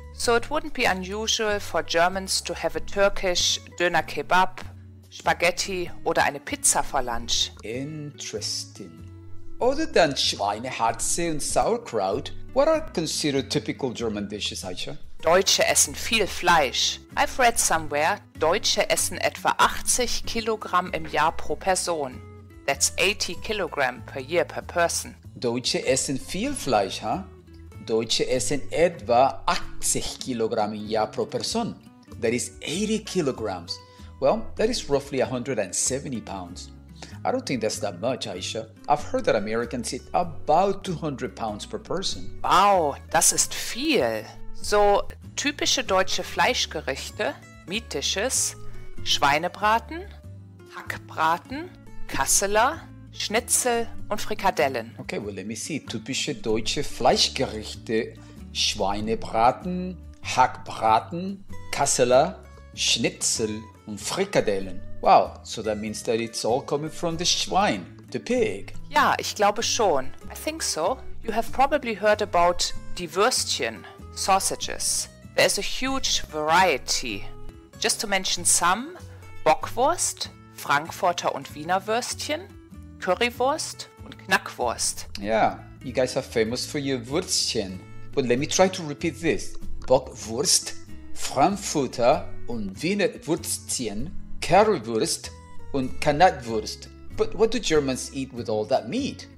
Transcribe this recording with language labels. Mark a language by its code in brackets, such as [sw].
[en] So it wouldn't be unusual for Germans to have a Turkish Döner Kebab, Spaghetti [de] oder eine Pizza [en] for lunch. Interesting. Other than Schweinehaxe und Sauerkraut, what are considered typical German dishes, Aisha? [de] Deutsche essen viel Fleisch. [en] I've read somewhere, [de] Deutsche essen etwa 80 Kilogramm im Jahr pro Person. [en] That's 80 Kilogramm per year per person. [de] Deutsche essen viel Fleisch, ha? Huh? Deutsche essen etwa 80 Kilogramm im Jahr pro Person. [en] That is 80 kilograms. Well, that is roughly 170 pounds. I don't think that's that much, Aisha. I've heard that Americans eat about 200 pounds per person. [de] Wow, das ist viel. So, typische deutsche Fleischgerichte, [en] Meat Dishes, [de] Schweinebraten, Hackbraten, Kasseler, Schnitzel und Frikadellen. [en] Okay, well, let me see. [de] Typische deutsche Fleischgerichte, Schweinebraten, Hackbraten, Kasseler, Schnitzel und Frikadellen. [en] Wow, so that means that it's all coming from the Schwein, the pig. [de] Ja, ich glaube schon. [en] I think so. You have probably heard about die Würstchen. Sausages. There's a huge variety. Just to mention some, [de] Bockwurst, Frankfurter und Wiener Würstchen, Currywurst und Knackwurst. [en] Yeah, you guys are famous for your Würstchen. But let me try to repeat this. [de] Bockwurst, Frankfurter und Wiener Würstchen, Currywurst und Knackwurst. [en] But what do Germans eat with all that meat?